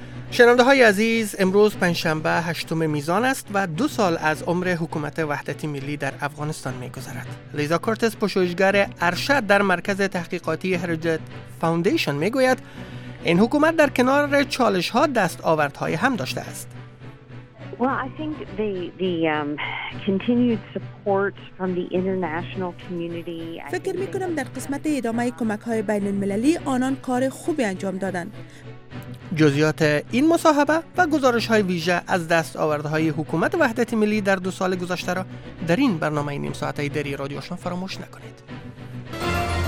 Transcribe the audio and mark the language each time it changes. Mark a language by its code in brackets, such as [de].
[fa] شنونده های عزیز، امروز پنجشنبه 8 میزان است و 2 سال از عمر حکومت وحدتی ملی در افغانستان می گذرد. لیزا کورتس، پژوهشگر ارشد در مرکز تحقیقاتی هریجت فاوندیشن، می گوید این حکومت در کنار چالش ها دستاورد های هم داشته است. [en] Well, I think the continued support from the international community. [fa] فکر می کنم در قسمت ادامه کمک های بین المللی آنان کار خوبی انجام دادند. جزئیات این مصاحبه و گزارش های ویژه از دستاورده های حکومت وحدت ملی در 2 سال گذشته را در این برنامه نیم ساعته دری رادیو آشنا فراموش نکنید.